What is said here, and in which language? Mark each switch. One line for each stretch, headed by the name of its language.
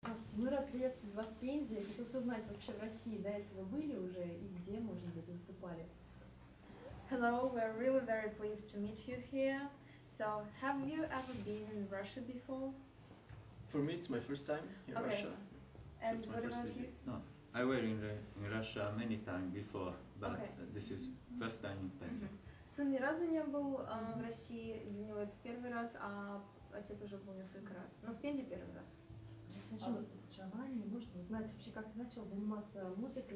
Russian: Мы рад приветствовать вас в Пензе. Я хотел узнать, вообще в России до этого были уже и где, может быть, выступали?
English: Hello, we're really very pleased to meet you here. So, have you ever been in Russia before? For me, it's my first time in Russia. And so it's my what first about visit. You? No, I were in Russia many times before, but this is first time in Пензе.
Russian: Сын ни разу не был в России, для него это первый раз, а отец уже был несколько раз. Но в Пензе первый раз. Сначала с Джованни, может узнать вообще, как ты начал заниматься музыкой?